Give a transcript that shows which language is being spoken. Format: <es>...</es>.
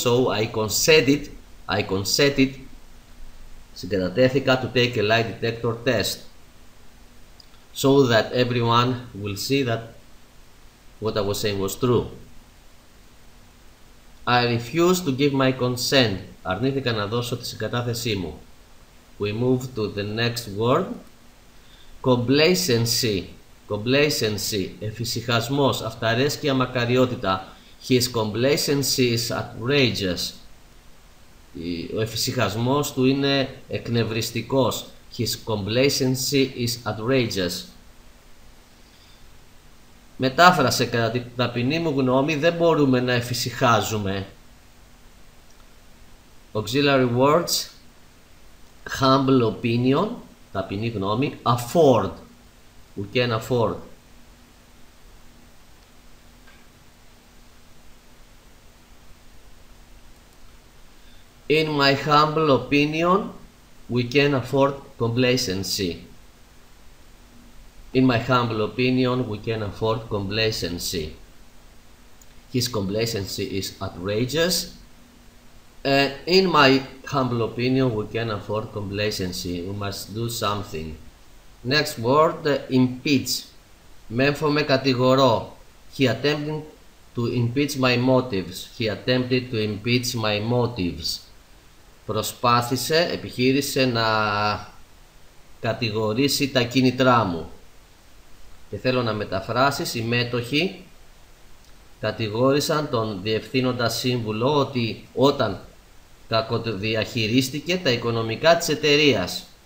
<en>So I consented.</en> <el>Συγκατατέθηκα</el> <en>to take a lie detector test so that everyone will see that what I was saying was true. I refused to give my consent.</en> <el>Αρνήθηκα να δώσω τη συγκατάθεσή μου.</el> <en>We move to the next word.</en> <el>Complacency. Complacency, εφησυχασμός, αυταρέσκεια, μακαριότητα.</el> <en>His complacency is outrageous.</en> <el>Ο εφησυχασμός του είναι εκνευριστικός.</el> <en>His complacency is outrageous.</en> <el>Μετάφρασε, κατά την ταπεινή μου γνώμη, δεν μπορούμε να εφησυχάζουμε.</el> <en>Auxiliary words, humble opinion,</en> <el>ταπεινή γνώμη,</el> <en>afford, we can afford. In my humble opinion, we can afford complacency. In my humble opinion, we can afford complacency. His complacency is outrageous. In my humble opinion, we can afford complacency. We must do something. Next word, impeach.</en> <el>Μέμφωμε κατηγορώ.</el> <en>He attempted to impeach my motives. He attempted to impeach my motives.</en> <el>Προσπάθησε, επιχείρησε να κατηγορήσει τα κίνητρά μου. Και θέλω να μεταφράσεις, οι μέτοχοι κατηγόρησαν τον διευθύνοντα σύμβουλο ότι όταν κακοδιαχειρίστηκε τα οικονομικά της εταιρείας.</el>